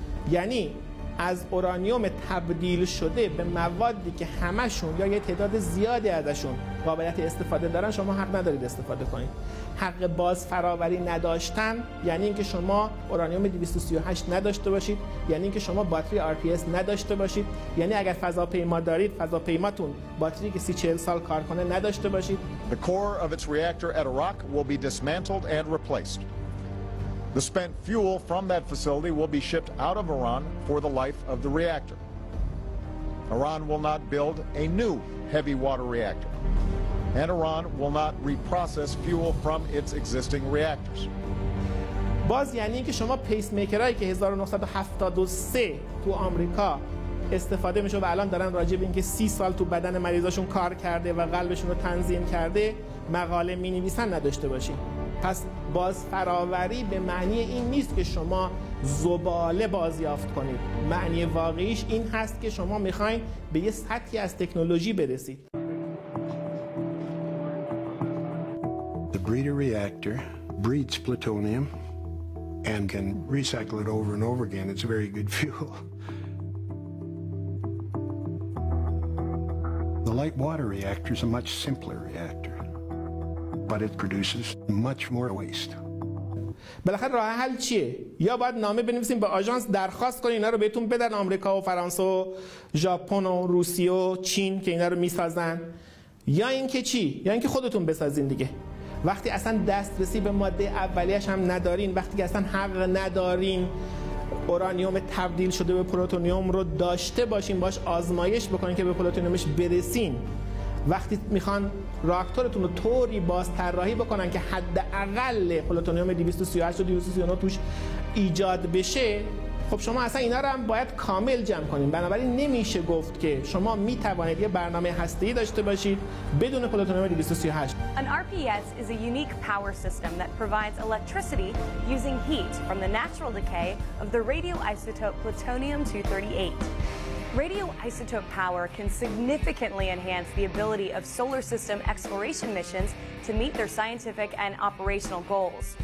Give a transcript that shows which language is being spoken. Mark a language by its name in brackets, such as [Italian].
[Persian] یعنی از اورانیوم تبدیل شده به موادی که همشون یا یه تعداد زیادی ازشون قابلیت استفاده دارن شما حق ندارید استفاده کنید. حق بازفراوری نداشتن یعنی اینکه شما اورانیوم 238 نداشته باشید، یعنی اینکه شما باتری RPS نداشته باشید، یعنی اگر فضاپیما دارید فضاپیماتون باتری که 30-40 سال کار کنه نداشته باشید. [English] The core of its reactor at Iraq will be dismantled and replaced. The spent fuel from that facility will be shipped out of Iran for the life of the reactor. Iran will not build a new heavy water reactor. And Iran will not reprocess fuel from its existing reactors. [Persian] باز یعنی اینکه شما پیس میکرایی که 1973 تو آمریکا استفاده میشه و الان دارن راجع به اینکه 30 سال تو بدن مریضاشون کار کرده و قلبشون رو تنظیم کرده مقاله مینویسن نداشته باشین. پس باز فراوری به معنی این نیست که شما زباله بازیافت کنید، معنی واقعیش این هست که شما میخواین به یه سطحی از تکنولوژی برسید. [English] The breeder reactor breeds plutonium and can recycle it over and over again. It's a very good fuel. The light water reactor is a much simpler reactor, but it produces much more waste. [Persian] بالاخره راه حل چیه؟ یا باید نامه بنویسیم به آژانس درخواست کنیم اینا رو بهتون بدن، آمریکا و فرانسه و ژاپن و روسیه و چین که اینا رو میسازن، یا اینکه چی؟ یا اینکه خودتون بسازین دیگه. وقتی اصلا دسترسی به ماده اولیش هم ندارین، وقتی که اصلا حق ندارین اورانیوم تبدیل شده به پلوتونیوم رو داشته باشین، باش آزمایش بکنین که به پلوتونیومش برسین، وقتی میخوان راکتورتون رو طوری بازطراحی بکنن که حداقل پلوتونیوم 238 و 239 توش ایجاد بشه، خب شما اصلا اینا رو هم باید کامل جمع کنیم. بنابراین نمیشه گفت که شما میتوانید یه برنامه هسته‌ای داشته باشید بدون پلوتونیوم 238. [English] An RPS is a unique power system that provides electricity using heat from the natural decay of the radioisotope plutonium 238. Radioisotope power can significantly enhance the ability of solar system exploration missions to meet their scientific and operational goals.